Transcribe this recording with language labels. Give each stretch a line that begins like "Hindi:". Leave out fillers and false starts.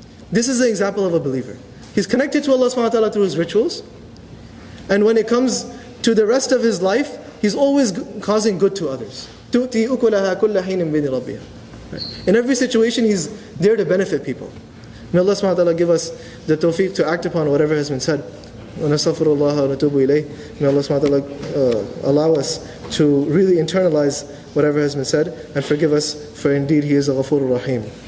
English: This is an example of a believer. He's connected to Allah subhanahu wa ta'ala through his rituals. And when it comes to the rest of his life, he's always causing good to others.
Arabic: تُؤْتِي أُكُلَهَا كُلَّ حِينٍ بِذِ رَبِّيَا.
English: In every situation, he's there to benefit people. May Allah subhanahu wa ta'ala give us the tawfiq to act upon whatever has been said.
Arabic: ونستغفر الله ونتوب إليه.
English: May Allah subhanahu wa ta'ala allow us to really internalize whatever has been said and forgive us, for indeed He is a
Arabic: غفور الرحيم.